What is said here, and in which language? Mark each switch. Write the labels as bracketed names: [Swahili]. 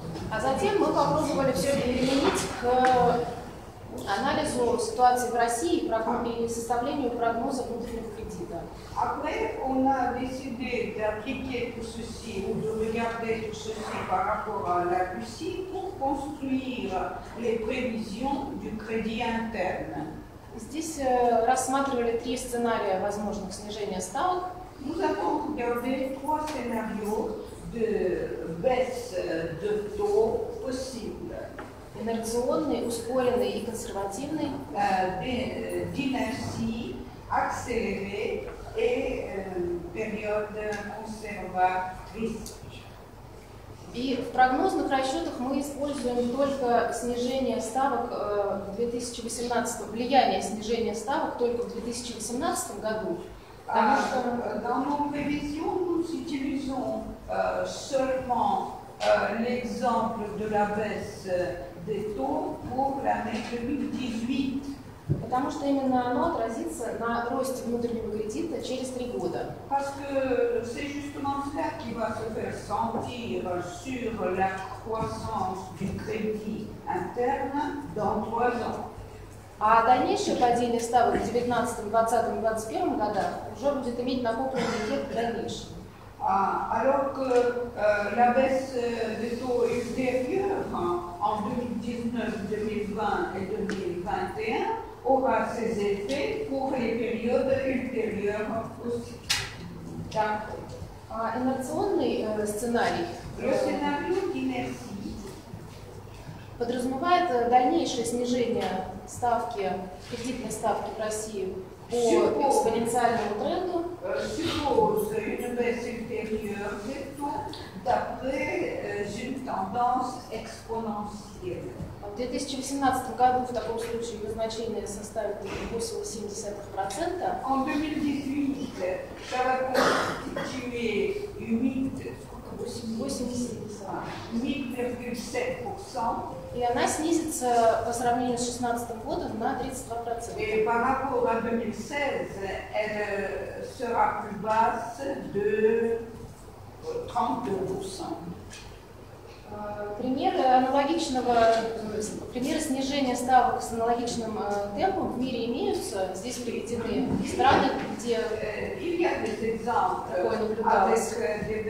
[Russian] А затем мы попробовали все применить к анализу ситуации в России и составлению прогноза внутреннего кредита. [French] Après, on a décidé d'appliquer tout ceci ou de regarder tout ceci par rapport à la Russie pour construire les prévisions du crédit interne. [Russian] Здесь рассматривали три сценария возможных снижения ставок. [French] Nous avons regardé trois scénarios de baisse de taux possible. [Russian] Инерционный, ускоренный и консервативный. [French] D'inertie, accéléré et [Russian] периода курсового кризиса. И в прогнозных расчетах мы используем только снижение ставок в 2018, влияние снижения ставок только в 2018 году. Потому что [French] dans nos prévisions, nous utilisons seulement l'exemple de la baisse des taux pour l'année 2018. [Russian] Потому что именно оно отразится на росте внутреннего кредита через три года. [French] Parce que c'est justement cela qui va se faire sentir sur la croissance du crédit interne dans trois ans. [Russian] А дальнейшее падение ставок в 2019, 2020, 2021 годах уже будет иметь накопленный эффект в дальнейшем. [French] Alors que la baisse des taux ultérieurs en 2019, 2020 et 2021 aura ses effets pour les périodes ultérieures aussi. D'accord. [Russian] Инерционный сценарий. [French] Le scénario d'inertie [Russian] подразумевает дальнейшее снижение ставки, кредитной ставки в России по экспоненциальному тренду. [French] Suppose une baisse ultérieure des taux d'après une tendance exponentielle. [Russian] В 2018 году в таком случае его значение составит 8,7%. [French] En 2018, [Russian] и она снизится по сравнению с 2016 годом на 32%. [French] Et par rapport à 2016, elle sera plus basse de 32%. [Russian] Примеры снижения ставок с аналогичным темпом в мире имеются. Здесь приведены страны, где такое